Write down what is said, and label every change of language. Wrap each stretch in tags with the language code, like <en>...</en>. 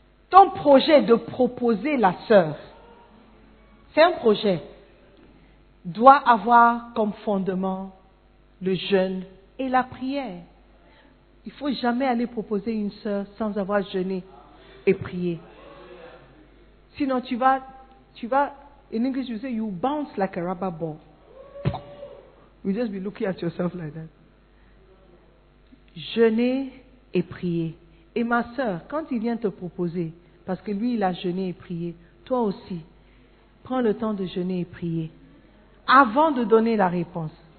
<fr>Ton projet de proposer la sœur, c'est un projet, doit avoir comme fondement le jeûne et la prière. Il ne faut jamais aller proposer une sœur sans avoir jeûné et prié. Sinon, tu vas,</fr> <en>in English you say, you bounce like a rubber ball. You just be looking at yourself like that.</en> <fr>Jeûner et prier. Et ma sœur, quand il vient te proposer, parce que lui, il a jeûné et prié, toi aussi, prends le temps de jeûner et prier. Avant de donner la réponse.</fr>